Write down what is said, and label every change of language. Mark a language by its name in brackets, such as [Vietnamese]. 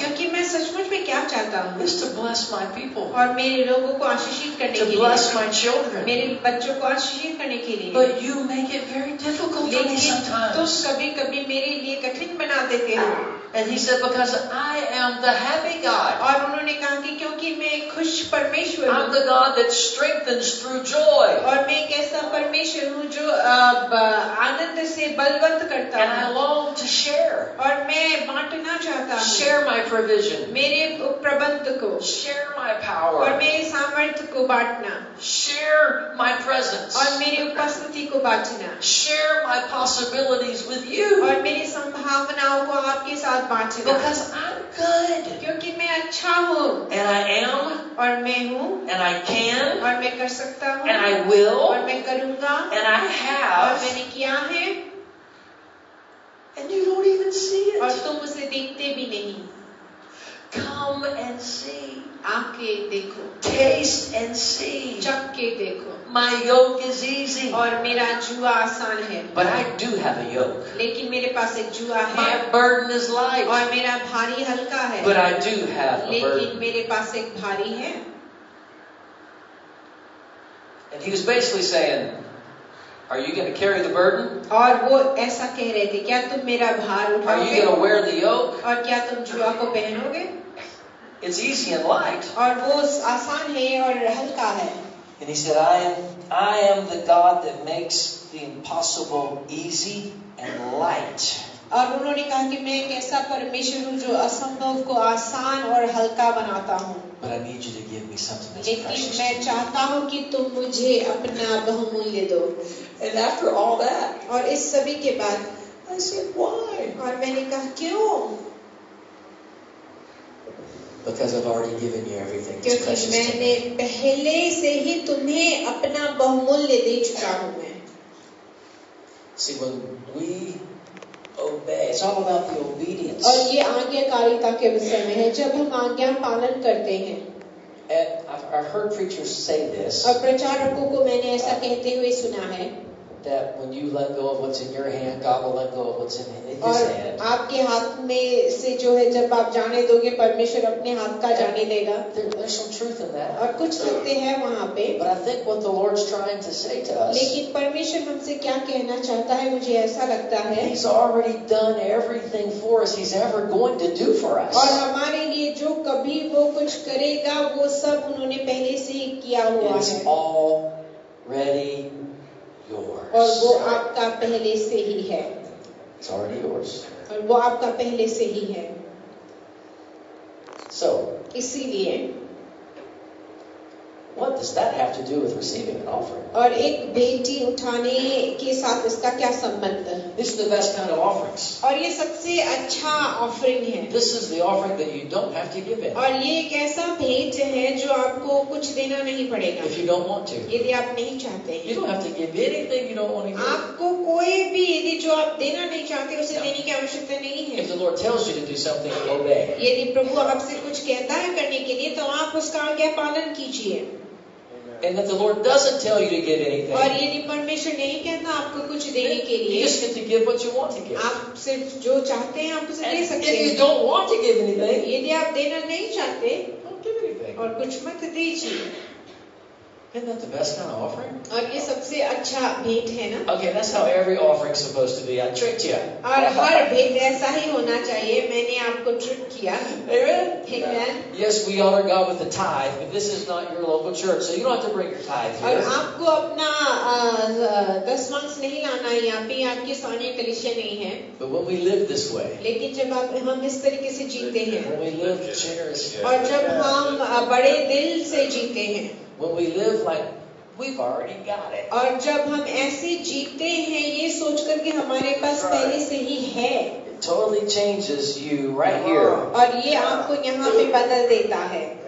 [Hindi] क्योंकि मैं सचमुच में क्या चाहता हूँ? [English] Is to bless my people. [Hindi] और मेरे लोगों को आशीषित करने के लिए. [English] To bless my children. [Hindi] मेरे बच्चों को आशीषित करने के लिए. [English] But you make it very difficult for me sometimes. [Hindi] तो कभी-कभी मेरे लिए कठिन बना देते हो. [English] And he said, because I am the happy God. [Hindi] और उन्होंने कहा कि क्योंकि मैं एक खुश परमेश्वर हूँ. [English] I'm the God that strengthens through joy. [Hindi] और मैं एक ऐसा परमेश्वर हूँ जो आनंद से बलवंत करता है. [English] And I long to share. [Hindi] और मैं बांटना चाहता हूँ. [English] Share my provision. [Hindi] मेरे प्रबंध को. [English] Share my power. [Hindi] और मेरे सामर्थ्य को बांटना. [English] Share my presence. [Hindi] और मेरी उपस्थिति को बांटना. [English] Share my possibilities with you. [Hindi] और मेरी संभावनाओं को आपके [English] Because I'm good. [Hindi] क्योंकि मैं अच्छा हूँ. [English] And I am. [Hindi] और मैं हूँ. [English] And I can. [Hindi] और मैं कर सकता हूँ. [English] And I will. [Hindi] और मैं करूँगा. [English] And I have. [Hindi] और मैंने किया है. [English] And you don't even see it. [Hindi] और तुम उसे देखते भी नहीं. [English] Come and see. [Hindi] आके देखो. [English] Taste and see. [Hindi] चख के देखो. [English] My yoke is easy. [Hindi] और मेरा जुआ आसान है. [English] But I do have a yoke. [Hindi] लेकिन मेरे पास एक जुआ है. [English] My burden is light. [Hindi] और मेरा भारी हल्का है. [English] But I do have a burden. [Hindi] लेकिन मेरे पास एक भारी है. [English] And he was basically saying, Are you going to carry the burden? [Hindi] और वो ऐसा कह रहे थे, क्या तुम मेरा भार उठाओगे? [English] Are you going to wear the yoke? [Hindi] और क्या तुम जुआ को पहनोगे? [English] It's easy and light. [Hindi] और वो आसान है और हल्का है. [English] And he said, I am the God that makes the impossible easy and light. [Hindi] और उन्होंने कहा कि मैं एक ऐसा परमेश्वर हूँ जो असंभव को आसान और हल्का बनाता हूँ. [English] But I need you to give me something that's precious. [Hindi] लेकिन मैं चाहता हूँ कि तुम मुझे अपना बहुमूल्य दो. [English] And after all that. [Hindi] और इस सभी के बाद. [English] I said, why? [Hindi] और मैंने कहा, क्यों? [English] Because I've already given you everything. [Hindi] क्योंकि मैंने पहले से ही तुम्हें अपना बहुमूल्य दे चुका हूँ मैं. [English] See, when we obey, it's all about the obedience. [Hindi] और ये आज्ञाकारिता के विषय में है, जब हम आज्ञा पालन करते हैं. [English] I've heard preachers say this. [Hindi] और प्रचारकों को मैंने ऐसा कहते हुए सुना है. [English] That when you let go of what's in your hand, God will let go of what's in His hand. [Hindi] और आपके हाथ में से जो है, जब आप जाने दोगे, परमेश्वर अपने हाथ का जाने देगा. [English] There's some truth in that. [Hindi] और कुछ सत्य है वहाँ पे. [English] But I think what the Lord's trying to say to us. [Hindi] लेकिन परमेश्वर हमसे क्या कहना चाहता है, मुझे ऐसा लगता है. [English] He's already done everything for us. He's ever going to do for us. [Hindi] और हमारे लिए जो कभी वो कुछ करेगा, वो सब उन्होंने पहले से ही किया हुआ है. [English] It's already Yours. [Hindi] और वो आपका पहले से ही है. [English] It's already yours. [Hindi] और वो आपका पहले से ही है. [English] So, [Hindi] इसीलिए [English] What does that have to do with receiving an offering? [Hindi] और एक बेटी उठाने के साथ इसका क्या संबंध है? [English] This is the best kind of offerings. [Hindi] और ये सबसे अच्छा offering है. [English] This is the offering that you don't have to give in. [Hindi] और ये एक ऐसा भेंट है जो आपको कुछ देना नहीं पड़ेगा. [English] If you don't want to. [Hindi] यदि आप नहीं चाहते हैं. [English] You don't have to give anything you don't want to give. [Hindi] आपको कोई भी यदि जो आप देना नहीं चाहते उसे देने की आवश्यकता नहीं है. [English] If the Lord tells you to do something, obey. [Hindi] यदि प्रभु आपसे कुछ कहता है करने के लिए तो आप उसका आज्ञा पालन कीजिए. [English] And that the Lord doesn't tell you to give anything. [Hindi] और यदि परमेश्वर नहीं कहता आपको कुछ देने के लिए. [English] You just get to give what you want to give. [Hindi] आप सिर्फ जो चाहते हैं आप उसे दे सकते हैं. [English] If you don't want to give anything. [Hindi] यदि आप देना नहीं चाहते. [English] Don't give anything. [Hindi] और कुछ मत दीजिए. [English] Isn't that the best kind of offering? [Hindi] और ये सबसे अच्छा भेंट है ना? [English] Okay, that's how every offering is supposed to be. I tricked you. [Hindi] और हर भेंट ऐसा ही होना चाहिए. मैंने आपको ट्रिक किया. [English] Amen. Yes, we honor God with the tithe, but this is not your local church, so you don't have to bring your tithe here. [Hindi] और आपको अपना दसवंश नहीं लाना है यहाँ पे. आपके सोने कलिशे नहीं है. [English] But when we live this way. [Hindi] लेकिन जब हम इस तरीके से जीते हैं. [English] When we live generously. [Hindi] और जब हम बड़े दिल से जीते हैं. [English] When we live like we've already got it. [Hindi] और जब हम ऐसे जीते हैं ये सोचकर कि हमारे पास पहले से ही है. [English] It totally changes you right here. [Hindi] और ये आपको यहाँ पे बदल देता है.